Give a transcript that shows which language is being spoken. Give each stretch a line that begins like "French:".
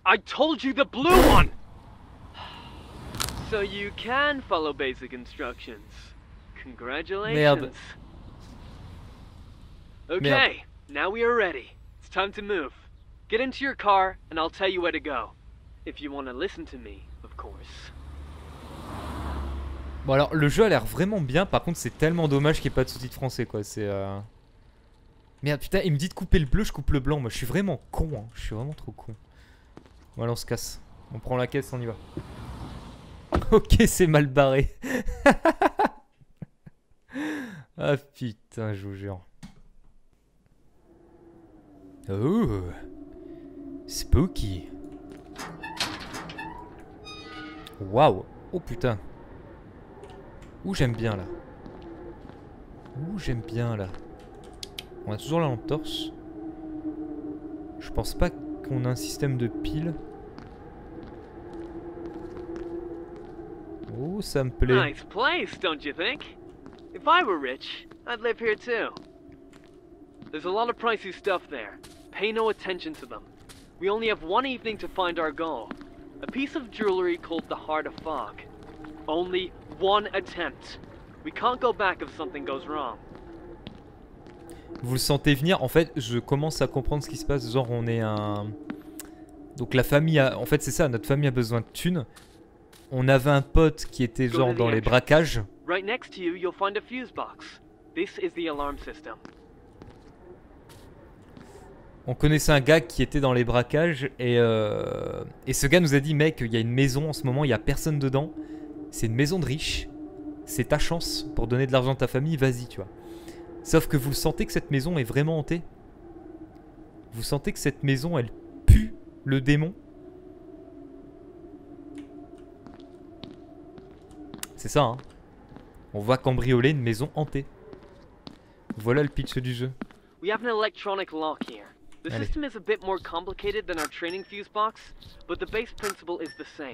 English: I told you the blue one. So you can follow basic instructions. Congratulations.
French: Merde.
English: Okay.
French: Merde.
English: Now we are ready. It's time to move. Get into your car and I'll tell you where to go. If you want to listen to me, of course.
French: Bon alors, le jeu a l'air vraiment bien, par contre c'est tellement dommage qu'il n'y ait pas de sous-titres français quoi, c'est Merde, putain, il me dit de couper le bleu, je coupe le blanc, moi je suis vraiment con, hein. Je suis vraiment trop con. Bon alors on se casse, on prend la caisse, on y va. Ok, c'est mal barré. Ah putain, je vous jure. Oh.
English: Spooky.
French: Waouh. Oh putain. Ouh, j'aime bien là. Ouh, j'aime bien là. On a toujours la lampe torche. Je pense pas qu'on a un système de piles. Oh, ça me plaît.
English: Nice place, don't you think? If I were rich, I'd live here too. There's a lot of pricey stuff there. Pay no attention to them. We only have one evening to find our goal. A piece of jewelry called the Heart of Fog. Only one attempt. We can't go back if something goes wrong.
French: Vous le sentez venir? En fait, je commence à comprendre ce qui se passe. Genre, on est un... Donc la famille a... En fait, c'est ça. Notre famille a besoin de thunes. On avait un pote qui était genre dans les braquages.
English: Right next to you, you'll find a fuse box. This is the alarm system.
French: On connaissait un gars qui était dans les braquages et ce gars nous a dit, mec, il y a une maison en ce moment, il y a personne dedans. C'est une maison de riche. C'est ta chance pour donner de l'argent à ta famille, vas-y, tu vois. Sauf que vous sentez que cette maison est vraiment hantée. Vous sentez que cette maison, elle pue le démon. C'est ça, hein. On va cambrioler une maison hantée. Voilà le pitch du jeu.
English: We have an electronic lock here. The system is a bit more complicated than our training fuse box, but the base principle is the same.